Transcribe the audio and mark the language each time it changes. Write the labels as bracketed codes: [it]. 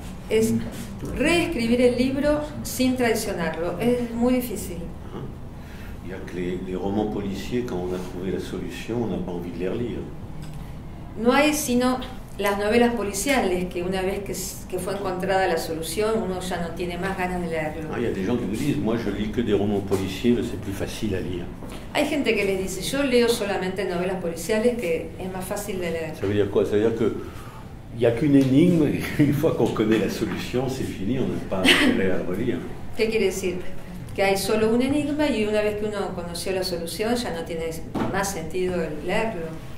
[es] Es réécrire el libro sin traicionarlo, es muy difícil. [fr] Il y a que les romans policiers, quand on a trouvé la solution, on n'a pas envie de les relire. [es] No hay sino las novelas policiales, que una vez que fue encontrada la solución, uno ya no tiene más ganas de leerlo. [fr] Ah, y a des gens qui vous disent, moi je lis que des romans policiers, c'est plus facile à lire. [es] Hay gente que les dice, yo leo solamente novelas policiales, que es más fácil de leer. [fr] Ça veut dire quoi? Ça veut dire que il n'y a qu'une énigme, une fois qu'on connaît la solution, c'est fini, on n'a pas intérêt à relire. [es] ¿Qué quiere decir? Que hay solo un enigma y una vez que uno conoció la solución, ya no tiene más sentido leerlo.